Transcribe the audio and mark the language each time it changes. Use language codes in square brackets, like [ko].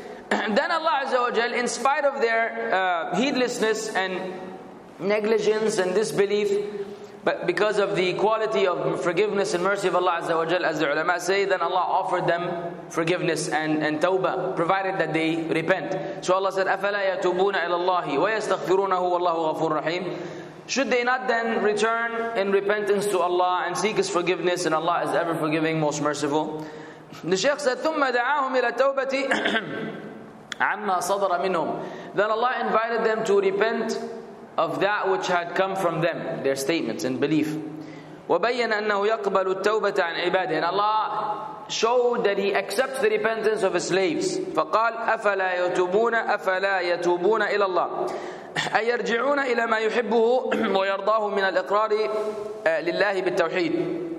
[en] Then Allah Azza wa Jal, in spite of their heedlessness and negligence and disbelief, but because of the quality of forgiveness and mercy of Allah Azza wa Jal, as the ulama say, then Allah offered them forgiveness and tawbah, provided that they repent. So Allah said, [ar] أَفَلَا يَتُوبُونَ إِلَى اللَّهِ وَيَسْتَغْفِرُونَهُ وَاللَّهُ غَفُورٌ رَحِيمٌ. [en] Should they not then return in repentance to Allah and seek His forgiveness, and Allah is ever forgiving, most merciful? The Shaykh said, [ar] ثُمَّ دَعَاهُمْ إِلَى تَوْبَةِ عَمَّا صَدَرَ مِنْهُمْ. [en] Then Allah invited them to repent of that which had come from them, their statements and belief. [ar] وَبَيَّنَ أَنَّهُ يَقْبَلُ التَّوْبَةَ عَنْ عِبَادِهِ. [en] And Allah showed that He accepts the repentance of His slaves. [ar] فَقَالْ أَفَلَا يَتُوبُونَ أَفَلَا يَتُوبُونَ إِلَى اللَّهِ أَيَرْجِعُونَ إِلَى مَا يُحِبُّهُ وَيَرْضَاهُ مِنَ الْإِقْرَارِ لِلَّهِ بِالتَّوْحِيدِ.